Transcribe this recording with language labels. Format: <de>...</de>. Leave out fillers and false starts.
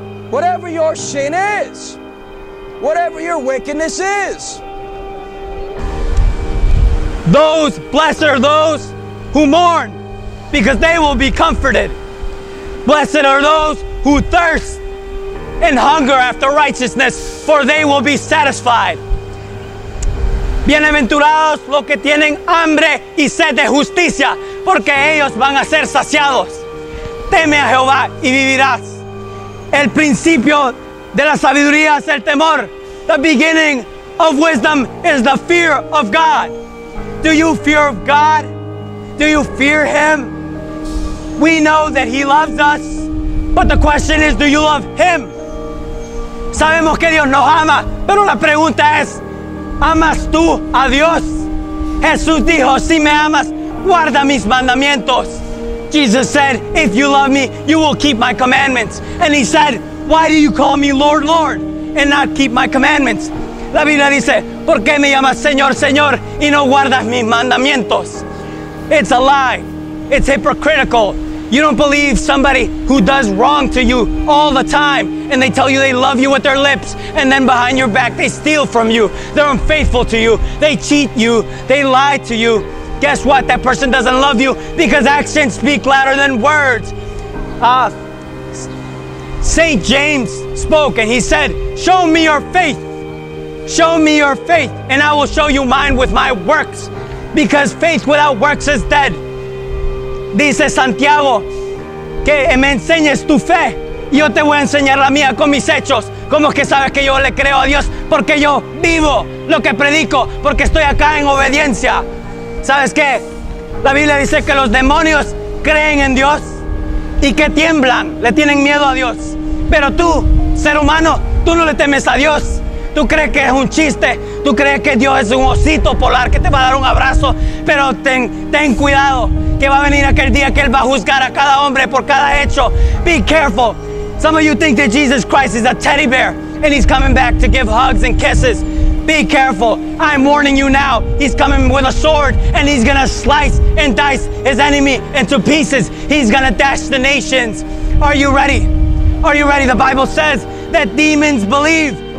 <en>Whatever your sin is, whatever your wickedness is. Those blessed are those who mourn, because they will be comforted. Blessed are those who thirst and hunger after righteousness, for they will be satisfied.</en> <es>Bienaventurados los que tienen hambre y sed de justicia, porque ellos van a ser saciados. Teme a Jehová y vivirás. El principio de la sabiduría es el temor.</es> <en>The beginning of wisdom is the fear of God. Do you fear of God? Do you fear Him? We know that He loves us, but the question is, do you love Him?</en> <es>Sabemos que Dios nos ama, pero la pregunta es, ¿amas tú a Dios? Jesús dijo, si me amas, guarda mis mandamientos.</es> <en>Jesus said, if you love me, you will keep my commandments. And he said, why do you call me Lord, Lord, and not keep my commandments?</en> <es>La Biblia dice, ¿por qué me llamas Señor, Señor, y no guardas mis mandamientos?</es> <en>It's a lie. It's hypocritical. You don't believe somebody who does wrong to you all the time, and they tell you they love you with their lips, and then behind your back they steal from you. They're unfaithful to you. They cheat you. They lie to you. Guess what? That person doesn't love you, because actions speak louder than words. St. James spoke and he said, show me your faith. Show me your faith and I will show you mine with my works, because faith without works is dead.</en> <es>Dice Santiago, que me enseñes tu fe, yo te voy a enseñar la mía con mis hechos. ¿Cómo que sabes que yo le creo a Dios? Porque yo vivo lo que predico, porque estoy acá en obediencia. ¿Sabes qué? La Biblia dice que los demonios creen en Dios y que tiemblan, le tienen miedo a Dios. Pero tú, ser humano, tú no le temes a Dios. Tú crees que es un chiste, tú crees que Dios es un osito polar que te va a dar un abrazo, pero ten cuidado, que va a venir aquel día que Él va a juzgar a cada hombre por cada hecho.</es> <en>Be careful. Some of you think that Jesus Christ is a teddy bear and He's coming back to give hugs and kisses. Be careful. I'm warning you now. He's coming with a sword and He's gonna slice and dice His enemy into pieces. He's gonna dash the nations. Are you ready? Are you ready? The Bible says that demons believe.</en>